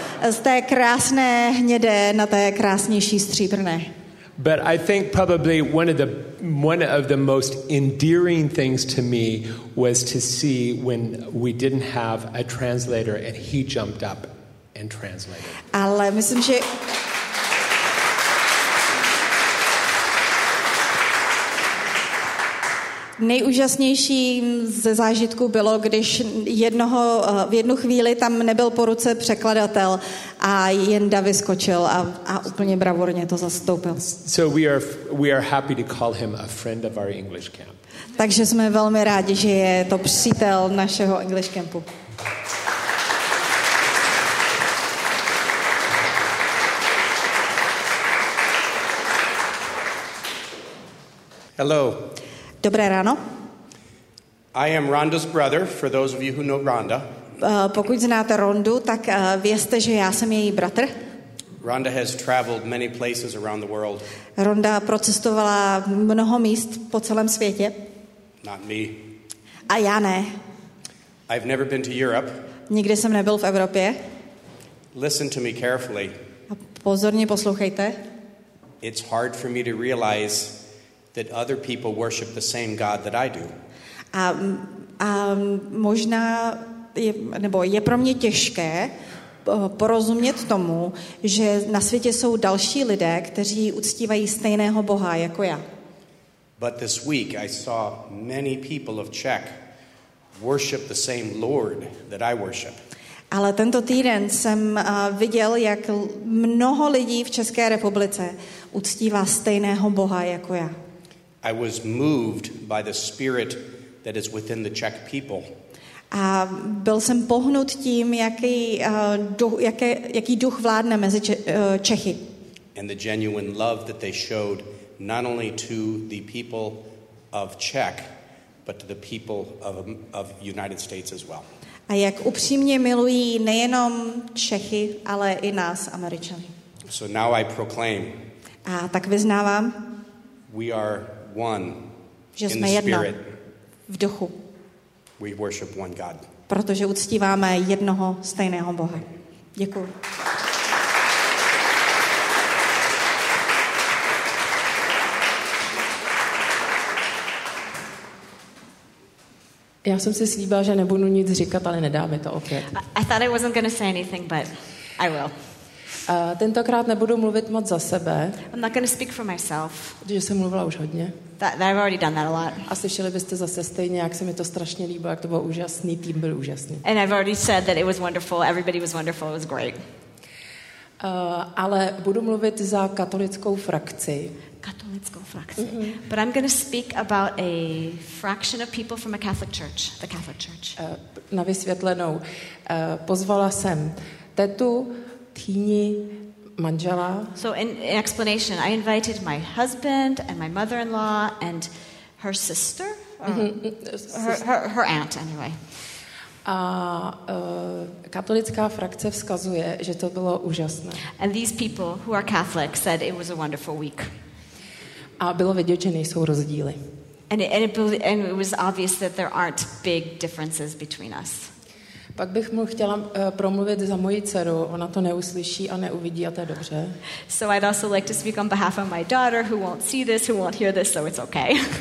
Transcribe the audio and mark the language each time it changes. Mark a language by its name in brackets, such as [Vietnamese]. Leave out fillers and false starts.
[Czech] Z té krásné hnědé na té krásnější stříbrné. [English] But I think probably one of the most endearing things to me was to see when we didn't have a translator and he jumped up and translated. [Czech] Ale myslím, že Nejúžasnějším ze zážitku bylo, když v jednu chvíli tam nebyl po ruce překladatel a Jenda vyskočil a úplně bravurně to zastoupil. [English] So we are happy to call him a friend of our English camp. [Czech] Takže jsme velmi rádi, že je to přítel našeho English campu. [English] Hello. [Czech] Dobré ráno. [English] I am Rhonda's brother, for those of you who know Rhonda. [Czech] Pokud znáte Rhondu, tak vězte, že já jsem její bratr. [English] Rhonda has traveled many places around the world. [Czech] Rhonda procestovala mnoho míst po celém světě. [English] Not me. [Czech] A já ne. [English] I've never been to Europe. [Czech] Nikdy jsem nebyl v Evropě. [English] Listen to me carefully. [Czech] A pozorně poslouchejte. [English] It's hard for me to realize that other people worship the same God that I do. [Czech] Možná je, nebo je pro mě těžké porozumět tomu, že na světě jsou další lidé, kteří uctívají stejného Boha jako já. [English] But this week I saw many people of Czech worship the same Lord that I worship. [Czech] Ale tento týden jsem viděl, jak mnoho lidí v České republice uctívá stejného Boha jako já. [English] I was moved by the spirit that is within the Czech people. [Czech] A byl jsem pohnut tím, jaký duch vládne mezi Čechy. [English] And the genuine love that they showed not only to the people of Czech, but to the people of United States as well. [Czech] A jak upřímně milují nejenom Čechy, ale i nás Američany. [English] So now I proclaim. [Czech] A tak vyznávám. [English] We are one, [Czech] že jsme jedno v duchu. [English] We worship one God. [Czech] Protože uctíváme jednoho stejného Boha. Děkuji. Já jsem si slíbila, že nebudu nic říkat, ale nedá mi to opět. [English] I thought I wasn't going to say anything, but I will. [Czech] Tentokrát nebudu mluvit moc za sebe. [English] I'm not going to speak for myself. [Czech] Že jsem mluvila už hodně. [English] That I've already done that a lot. [Czech] A slyšeli byste zase stejně, jak se mi to strašně líbilo, jak to bylo úžasný, tým byl úžasný. [English] And I've already said that it was wonderful, everybody was wonderful, it was great. [Czech] Ale budu mluvit za katolickou frakci. Katolickou frakci. Mm-hmm. [English] But I'm going to speak about a fraction of people from a Catholic church, the Catholic church. [Czech] Na vysvětlenou. Pozvala jsem tetu, tíni, manžela. [English] So in explanation, I invited my husband and my mother-in-law and her sister, her aunt anyway. [Czech] A katolická frakce vzkazuje, že to bylo úžasné. [English] And these people who are Catholic said it was a wonderful week. [Czech] A bylo vidět, že nejsou rozdíly. [English] And it was obvious that there aren't big differences between us. [Czech] Pak bych mu chtěla promluvit za moji dceru. Ona to neuslyší a neuvidí a to je dobře. [English] So I'd also like to speak on behalf of my daughter who won't see this, who won't hear this, so it's okay.